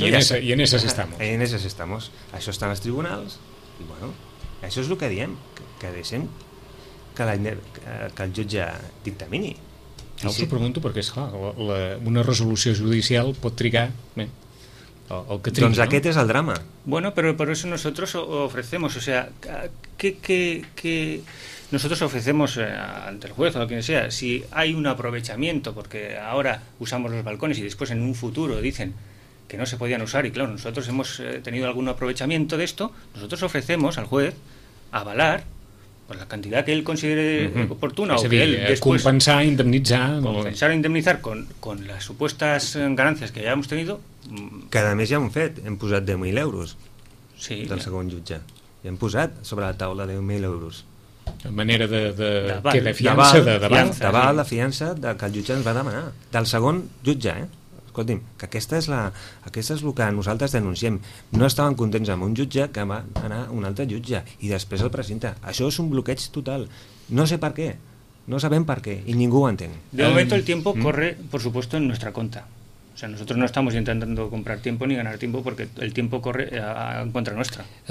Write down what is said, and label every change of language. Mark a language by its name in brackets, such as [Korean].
[Spanish] Y en esas estamos. [Catalan] Això està en els tribunals i bueno, això és el que diem, que deixem que el jutge dictamini. Ja us ho pregunto perquè és clar, una resolució judicial pot trigar, bé, el que trigui, doncs no? Aquest és el drama. [Spanish] Bueno, pero por eso nosotros ofrecemos, o sea, que nosotros ofrecemos ante el juez o quien sea, si hay un aprovechamiento porque ahora usamos los balcones y después en un futuro dicen que no se podían usar, y claro, nosotros hemos tenido algún aprovechamiento de esto, nosotros ofrecemos al juez avalar por la cantidad que él considere oportuna. Es o que él después... Compensar, indemnizar... Compensar o indemnizar con las supuestas ganancias que hayamos tenido... [Catalan] Cada mes [Spanish] ya hemos [Catalan] fet, hem posat 10.000 euros sí, del segon jutge. I hem posat sobre la taula 10.000 euros. En manera de fiança, d'aval, la fiança que el jutge ens va demanar. Del segon jutge, eh? Escolti'm, que aquesta és el que nosaltres denunciem. No estàvem contents amb un jutge que va anar a un altre jutge i després el presenta. Això és un bloqueig total. No sé per què. No sabem per què i ningú ho entén. De moment el temps corre, [Spanish] por supuesto, en nuestra cuenta. O sea, nosotros no estamos intentando comprar tiempo ni ganar tiempo porque el tiempo corre en contra nuestra.